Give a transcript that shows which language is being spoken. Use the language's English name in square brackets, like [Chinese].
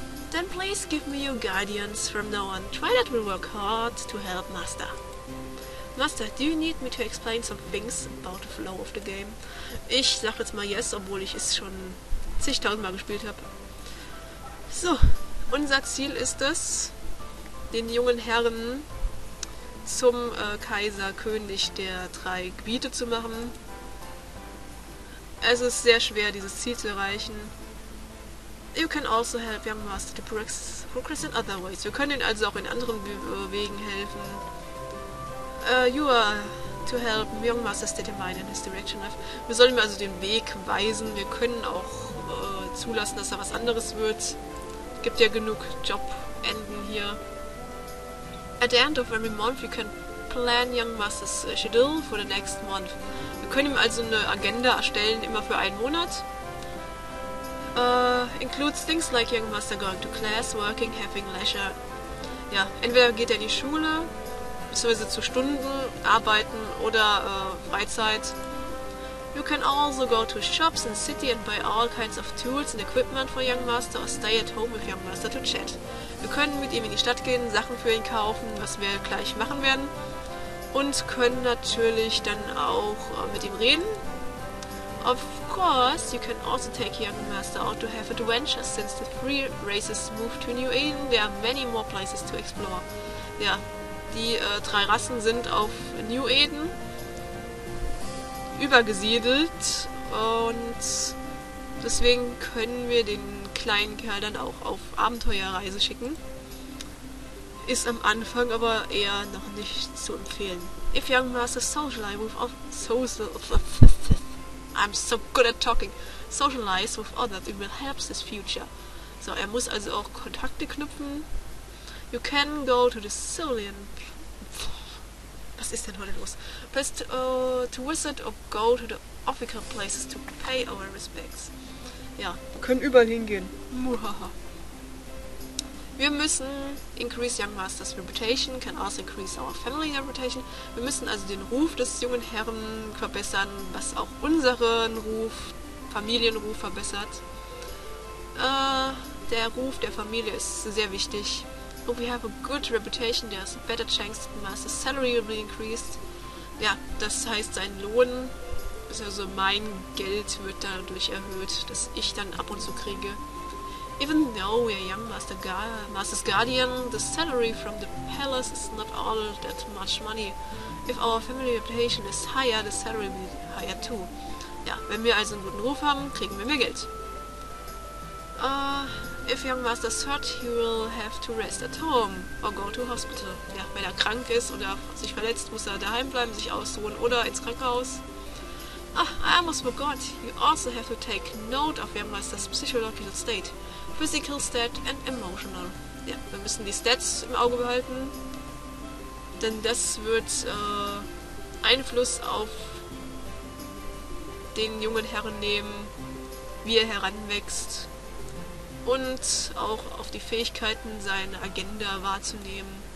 [English] Then please give me your guidance from now on. Twilight will work hard to help Master. Master, do you need me to explain some things about the flow of the game? [German] Ich sag jetzt mal yes, obwohl ich es schon zigtausendmal gespielt habe. So, unser Ziel ist es, den jungen Herren zum Kaiser, König der drei Gebiete zu machen. Es ist sehr schwer, dieses Ziel zu erreichen. [English] You can also help Young Master to progress in other ways. [German] Wir können ihn also auch in anderen Wegen helfen. [English] You are to help Young Master's determine in his direction. [German] Wir sollen ihm also den Weg weisen. Wir können auch zulassen, dass er was anderes wird. Gibt ja genug Jobenden hier. [English] At the end of every month you can plan Young Master's Schedule for the next month. [German] Wir können ihm also eine Agenda erstellen, immer für einen Monat. [English] Includes things like Young Master going to class, working, having leisure. [German] Ja, entweder geht er in die Schule, beziehungsweise zu Stunden, arbeiten oder Freizeit. [English] You can also go to shops in city and buy all kinds of tools and equipment for Young Master or stay at home with Young Master to chat. [German] Wir können mit ihm in die Stadt gehen, Sachen für ihn kaufen, was wir gleich machen werden. Und können natürlich dann auch mit ihm reden. [English] Of course, you can also take Young Master out to have adventures since the three races move to New Eden. There are many more places to explore. [German] Ja, die drei Rassen sind auf New Eden übergesiedelt und deswegen können wir den kleinen Kerl dann auch auf Abenteuerreise schicken. Ist am Anfang aber eher noch nicht zu empfehlen. [English] If Young Master socialize with socialize with others, it will help his future. [German] So, er muss also auch Kontakte knüpfen. [English] You can go to the Cerulean. [German] Was ist denn heute los? [English] Best to visit or go to the official places to pay our respects. [German] Ja. Wir können überall hingehen. [English] Muhaha. [German] Wir müssen [English] increase Young Master's reputation, can also increase our family reputation. [German] Wir müssen also den Ruf des jungen Herrn verbessern, was auch unseren Ruf, Familienruf verbessert. Der Ruf der Familie ist sehr wichtig. [English] If we have a good reputation, there's a better chance that Master's salary will be increased. [German] Ja, das heißt, sein Lohn, also mein Geld wird dadurch erhöht, dass ich dann ab und zu kriege. [English] Even though we are Young Master's Guardian, the salary from the palace is not all that much money. If our family reputation is higher, the salary will be higher too. [German] Ja, wenn wir also einen guten Ruf haben, kriegen wir mehr Geld. [English] If Young Master is hurt, he will have to rest at home or go to hospital. [German] Ja, wenn er krank ist oder sich verletzt, muss er daheim bleiben, sich ausruhen oder ins Krankenhaus. [English] Ah, I almost forgot. You also have to take note of Young Master's psychological state, physical state and emotional. [German] Ja, wir müssen die Stats im Auge behalten, denn das wird Einfluss auf den jungen Herren nehmen, wie er heranwächst. Und auch auf die Fähigkeiten, seine Agenda wahrzunehmen.